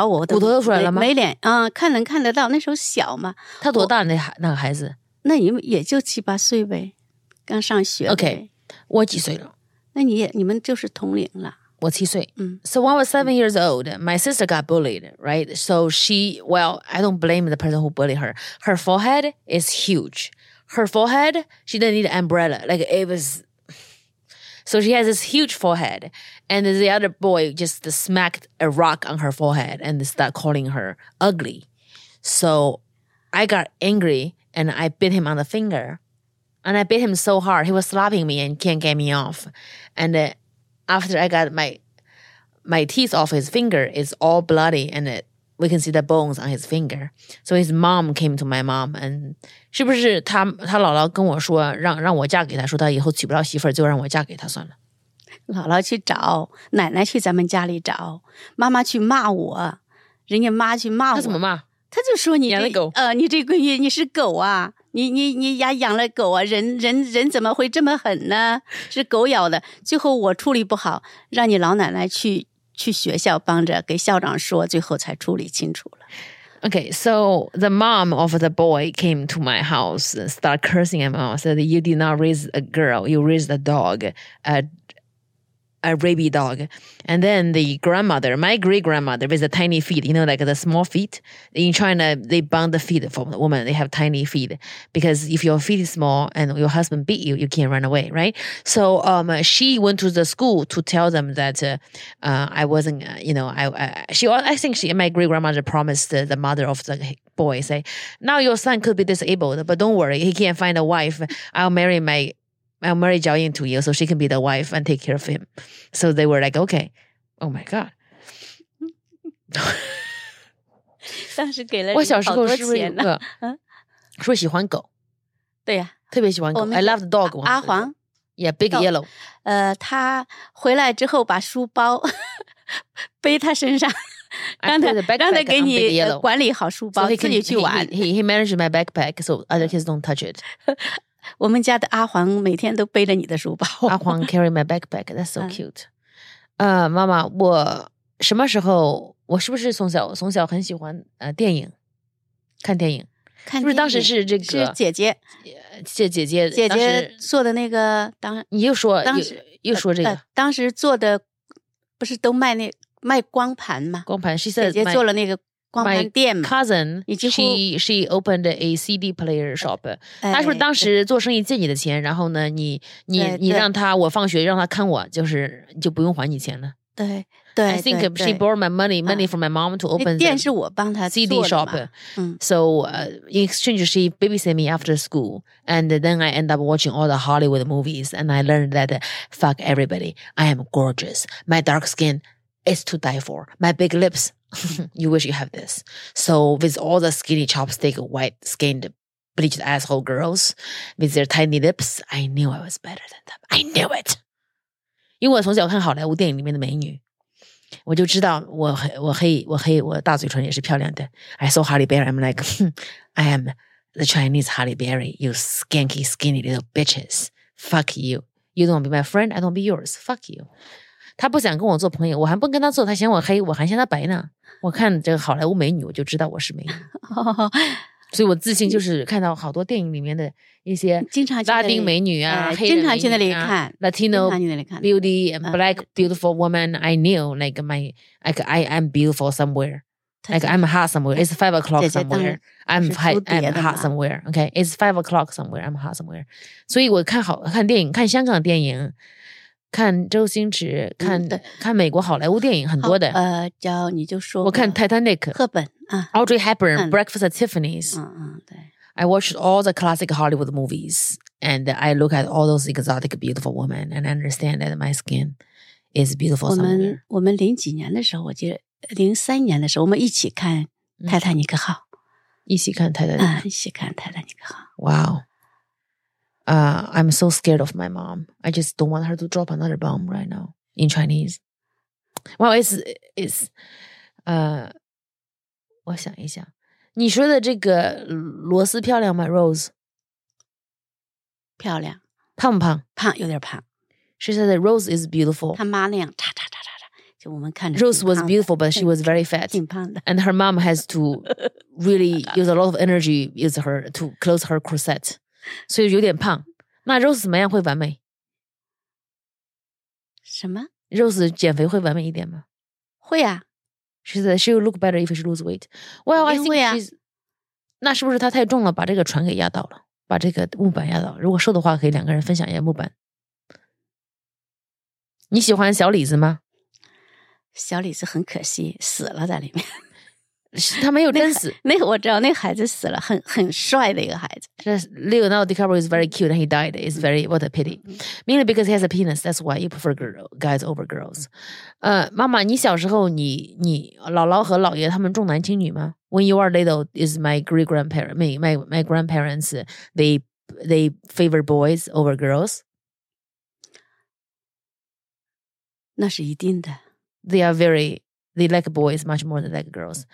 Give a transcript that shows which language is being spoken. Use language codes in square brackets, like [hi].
[zh] 好像有人拿砖打我妹妹头，现在头骨。骨头都出来了吗？没脸，看能看得到。那时候小嘛。他多大那孩子？那也就七八岁呗。刚上学。 OK， 我几岁了？那你也，你们就是同龄了。我七岁。 [en] So when I was 7 years old, my sister got bullied, right? So she, well, I don't blame the person who bullied her. Her forehead is huge. Her forehead, she didn't need an umbrella. Like it was... So she has this huge forehead, and the other boy just smacked a rock on her forehead and started calling her ugly. So I got angry, and I bit him on the finger. And I bit him so hard, he was slapping me and can't get me off. And after I got my teeth off his finger, it's all bloody, and we can see the bones on his finger. So his mom came to my mom, and... [zh] 是不是他姥姥跟我说让我嫁给他，说他以后娶不了媳妇儿，就让我嫁给他算了。姥姥去找奶奶，去咱们家里找妈妈，去骂我，人家妈去骂我。他怎么骂？他就说你养了狗，你这闺女你是狗啊，你呀养了狗啊，人怎么会这么狠呢？是狗咬的。最后我处理不好，让你老奶奶去学校帮着给校长说，最后才处理清楚了。 [en] Okay, so the mom of the boy came to my house and started cursing at my mom. Said, you did not raise a girl, you raised a dog, a rabid dog. And then the grandmother, my great-grandmother with the tiny feet, you know, like the small feet. In China, they bound the feet for the woman. They have tiny feet. Because if your feet is small and your husband beat you, you can't run away, right? So she went to the school to tell them that I wasn't, you know, my great-grandmother promised the mother of the boy, say, now your son could be disabled, but don't worry, he can't find a wife. I'll marry Jiaoying to you so she can be the wife and take care of him. So they were like, okay. Oh my God. [zh] 当时给了你好多钱呢。说喜欢狗。对呀、啊。特别喜欢狗。 [en] I love the dog. [zh] 阿黄。 [en] Yeah, big yellow. [zh] 他回来之后把书包背他身上。让他给你管理好书包、 [en] so、 [zh] 自己去玩。 [en] He managed my backpack so other kids don't touch it. [zh] 我们家的阿黄每天都背着你的书包。 [en] 阿黄 carry my backpack, that's so cute. [zh] 妈妈，我什么时候，我是不是从小很喜欢电影，看电影。看是不是当时是这个。是姐姐。姐姐做的那个你又说当时又说这个。当时做的不是都卖那卖光盘吗？光盘，姐姐做了那个。 [en] My cousin, she opened a CD player shop. [zh] 她是不是当时做生意借你的钱，然后呢，你让她，我放学让她看我，就是就不用还你钱了。对对 [en] ，I think she borrowed my money from my mom to open the [zh] 店是我帮她 [en] CD shop. So in exchange, she babysat me after school, and then I end up watching all the Hollywood movies, and I learned that fuck everybody, I am gorgeous. My dark skin is to die for. My big lips. You wish you have this. So with all the skinny chopstick, white skinned, bleached asshole girls, with their tiny lips, I knew I was better than them. I knew it. [zh] 因为我从小看好莱坞电影里面的美女，我就知道我黑我大嘴唇也是漂亮的。 [en] I saw Halle Berry, I'm like, I am the Chinese Halle Berry. You skanky, skinny little bitches. Fuck you. You don't be my friend. I don't be yours. Fuck you. [zh] 他不想跟我做朋友，我还不跟他做，他嫌我黑，我还嫌他白呢。我看这个好莱坞美女，我就知道我是美女，所以我自信就是看到好多电影里面的一些拉丁美女啊，经常去那里看 [en] Latino beauty and black beautiful woman. I knew like I am beautiful somewhere, like I'm hot somewhere. It's 5 o'clock somewhere. I'm hot somewhere. Okay, it's 5 o'clock somewhere. I'm hot somewhere. [zh] 所以我看电影，看香港电影。看周星驰，看美国好莱坞电影很多的。叫你就说，我看《Titanic》 赫本啊， [en] 《Audrey Hepburn》《Breakfast at Tiffany's》。 [zh] 对。 [en] I watched all the classic Hollywood movies, and I look at all those exotic, beautiful women, and understand that my skin is beautiful somewhere. [zh] 我们零几年的时候，我记得2003年的时候，我们一起看《泰坦尼克号》，一起看《泰坦尼克》，一起看《泰坦尼克号》。 [en] Wow. I'm so scared of my mom. I just don't want her to drop another bomb right now in Chinese. Well, it's, [zh] 我想一想，你说的这个罗斯漂亮吗 [en] ？Rose， [zh] 漂亮，胖不胖？胖，有点胖。 [en] She said that Rose is beautiful. [zh] 她妈那样，叉叉叉叉叉，就我们看着。 [en] Rose was beautiful, but she was very fat. [zh] 挺胖的。 [en] And her mom has to really use a lot of energy use her to close her corset. [zh] 所以有点胖，那 Rose 怎么样会完美？什么？ Rose 减肥会完美一点吗？会啊。 [en] She said she will look better if she lose weight. Well, I think she's... [zh] 那是不是她太重了，把这个船给压倒了，把这个木板压倒了？如果瘦的话，可以两个人分享一下木板。你喜欢小李子吗？小李子很可惜，死了在里面。他没有真死。那个我知道，那个孩子死了，很帅的一个孩子。 [en] Leonardo DiCaprio is very cute and he died. It's very, what a pity. Mainly because he has a penis, that's why you prefer guys over girls. [zh] 妈妈，你小时候你姥姥和姥爷他们重男轻女吗？ [en] When you are little, is my great grandparents, my grandparents, they favor boys over girls? [zh] 那是一定的。 [en] They are very... They like boys much more than like girls.